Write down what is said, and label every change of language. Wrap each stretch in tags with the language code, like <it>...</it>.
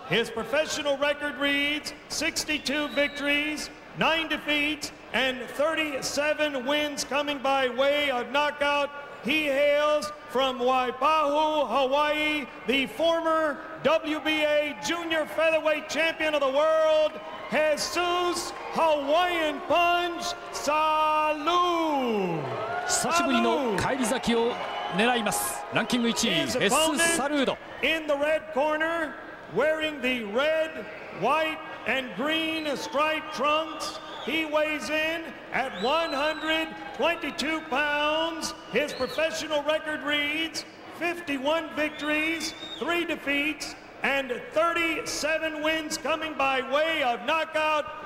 <en>His professional record reads 62 victories, 9 defeats, and 37 wins coming by way of knockout. He hails from Waipahu, Hawaii, the former WBA junior featherweight champion of the world, Jesus Hawaiian Punch Salu.</en> <ja>久しぶりの返り咲きを狙います。ランキング1位、ヘスス・サルード。</ja> <en>In the red corner, wearing the red, white and green striped trunks, he weighs in at 122 pounds. His professional record reads 51 victories, 3 defeats and 37 wins coming by way of knockout.</en>